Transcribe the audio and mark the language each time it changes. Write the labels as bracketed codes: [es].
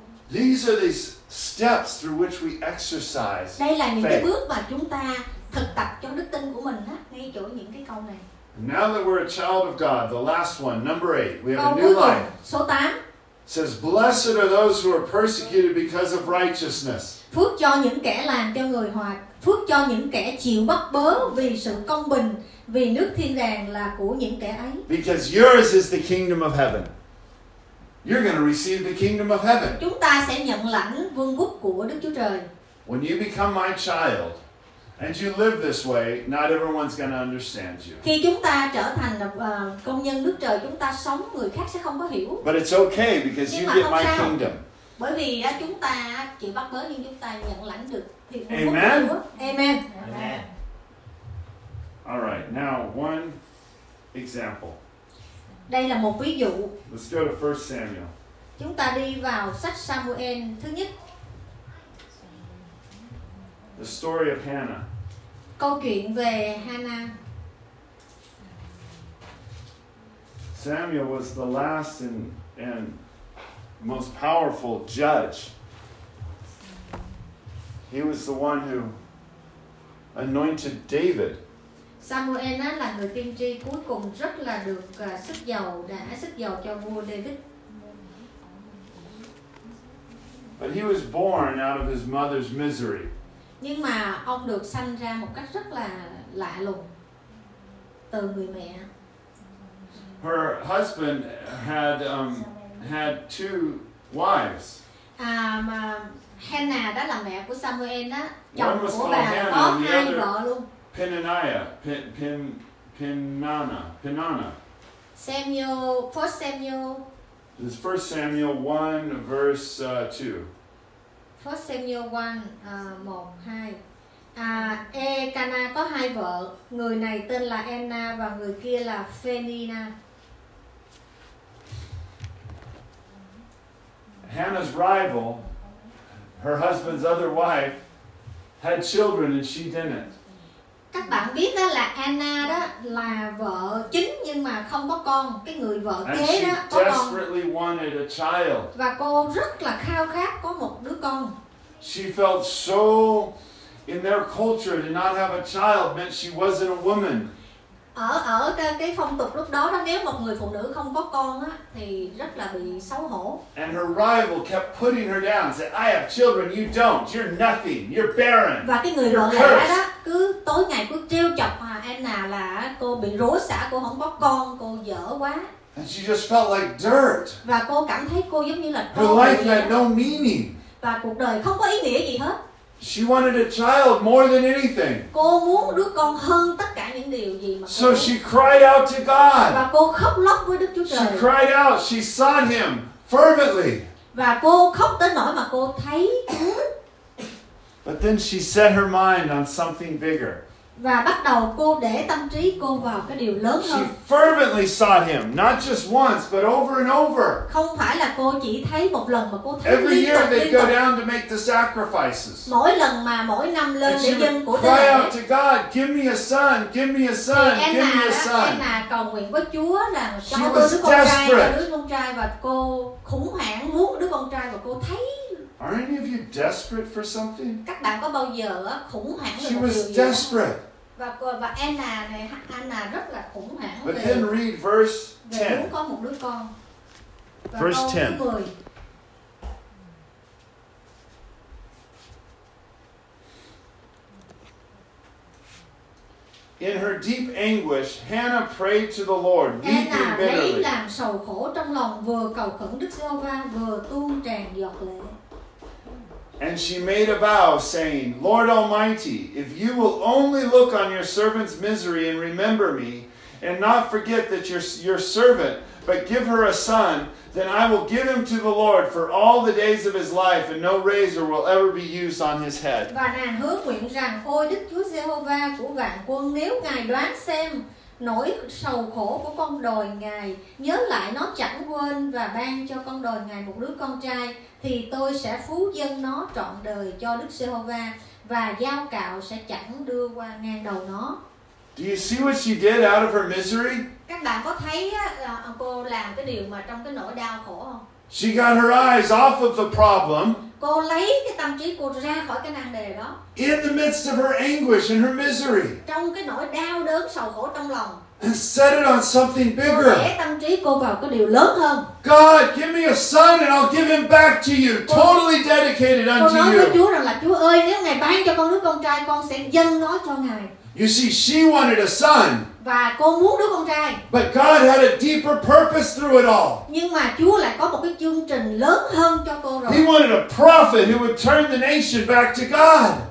[en] These are these steps through which we exercise faith. Now that we're a child of God, the last one, number 8, we have a new life. [vi] Số 8. [en] It says, blessed are those who are persecuted because of righteousness. [vi] Phước cho những kẻ làm cho người hòa, phước cho những kẻ chịu bắt bớ vì sự công bình, vì nước thiên đàng là của những kẻ ấy. [en] Because yours is the kingdom of heaven. You're going to receive the kingdom of heaven. [vi] Chúng ta sẽ nhận lãnh vương quốc của Đức Chúa Trời. [en] When you become my child and you live this way, not everyone's going to understand you. [vi] Khi chúng ta trở thành công nhân Đức Trời, chúng ta sống, người khác sẽ không có hiểu. [en] But it's okay because [vi] Nhưng [en] you get my [vi] sao? [en] Kingdom. [vi] Bởi vì chúng ta chịu bắt bớ nhưng chúng ta nhận lãnh được thiên quốc của Đức Chúa. [en] Amen. Amen. All right, now one example. [vi] Đây là một ví dụ. [en] Let's go to 1 Samuel. [vi] Chúng ta đi vào sách Samuel thứ nhất. [en] The story of Hannah. [vi] Câu chuyện về Hannah. [en] Samuel was the last and most powerful judge. He was the one who anointed David. [vi] Samuel đó là người tiên tri cuối cùng rất là được sức dầu, đã sức dầu cho vua David. [en] But he was born out of his mother's misery. [vi] Nhưng mà ông được sanh ra một cách rất là lạ lùng từ người mẹ. [en] Her husband had had two wives. [vi] Mà Hannah đó là mẹ của Samuel đó, chồng của bà Hannah, có hai vợ luôn. Peninnah. [en] Samuel, 1 Samuel. This is 1 Samuel 1, verse 2. 1 Samuel 1, 1, 2. [vi] Cana có hai vợ. Người này tên là Anna và người kia là Phenina. [en] Hannah's rival, her husband's other wife, had children and she didn't. [vi] Các bạn biết đó là Anna đó là vợ chính nhưng mà không có con, cái người vợ kế đó có [en] desperately [vi] con. [en] Wanted a child. [vi] Và cô rất là khao khát có một đứa con. [en] She felt so in their culture to not have a child meant she wasn't a woman. [vi] Ở cái phong tục lúc đó đó, nếu một người phụ nữ không có con á thì rất là bị xấu hổ. [en] And her rival kept putting her down, said, I have children, you don't, you're nothing, you're barren. [vi] Và cái người [en] you're [vi] vợ đó cứ tối ngày cứ trêu chọc Anna là cô bị rủa xả, cô không có con, cô dở quá. [en] And she just felt like dirt. [vi] Và cô cảm thấy cô giống như là [en] her life had no meaning. [vi] Và cuộc đời không có ý nghĩa gì hết. [en] She wanted a child more than anything. [vi] Cô muốn đứa con hơn tất cả những điều gì mà. [en] So she cried out to God. [vi] Và cô khóc lóc với Đức Chúa Trời. [en] She cried out. She sought Him fervently. [vi] Và cô khóc tới nỗi mà cô thấy. [en] But then she set her mind on something bigger. [vi] Và bắt đầu cô để tâm trí cô vào cái điều lớn hơn. [en] She fervently sought Him, not just once, but over and over. [vi] Không phải là cô chỉ thấy một lần mà cô thấy. [en] Every year they go down to make the sacrifices. [vi] Mỗi lần mà mỗi năm lên để dân của tế lễ. [en] Cry out to God, give me a son, give me a son, give me a son. [vi] Anna cầu nguyện với Chúa là cho đứa con trai, đứa con trai, và cô khủng hoảng muốn đứa con trai và cô thấy. [en] Are any of you desperate for something? [vi] Các bạn có bao giờ khủng hoảng về [en] She was desperate. [vi] Và Anna này, Anna rất là khủng hoảng. [en] But then read verse 10. [vi] Muốn có một đứa con. [en] Verse 10. In her deep anguish, Hannah prayed to the Lord, weeping bitterly. [vi] Anna lấy làm sầu khổ trong lòng, vừa cầu khẩn Đức Giê-hô-va, vừa tuôn tràn giọt lệ. [en] And she made a vow, saying, Lord Almighty, if you will only look on your servant's misery and remember me, and not forget that your servant, but give her a son, then I will give him to the Lord for all the days of his life, and no razor will ever be used on his head. [vi] Và nàng hứa nguyện rằng, ôi Đức Chúa Giê-hô-va của vạn quân, nếu Ngài đoán xem nỗi sầu khổ của con đồi Ngài, nhớ lại nó chẳng quên và ban cho con đồi Ngài một đứa con trai, thì tôi sẽ phú dâng nó trọn đời cho Đức Giê-hô-va và dao cạo sẽ chẳng đưa qua ngang đầu nó. [en] Do you see what she did out of her misery? [vi] Các bạn có thấy cô làm cái điều mà trong cái nỗi đau khổ không? [en] She got her eyes off of the problem. [vi] Cô lấy cái tâm trí cô ra khỏi cái nan đề đó. [en] In the midst of her anguish and her misery. [vi] Trong cái nỗi đau đớn sầu khổ trong lòng. [en] And set it on something bigger. [vi] Cô để tâm trí cô vào cái điều lớn hơn. [en] God, give me a son and I'll give him back to you. Totally dedicated unto you. [vi] Cô nói với Chúa rằng là Chúa ơi, nếu Ngài ban cho con đứa con trai, con sẽ dâng nó cho Ngài. [en] You see, she wanted a son. [vi] Và cô muốn đứa con trai. [en] But God had a deeper purpose through it all. [vi] Nhưng mà Chúa lại có một cái chương trình lớn hơn cho cô rồi. [en] He wanted a prophet who would turn the nation back to God.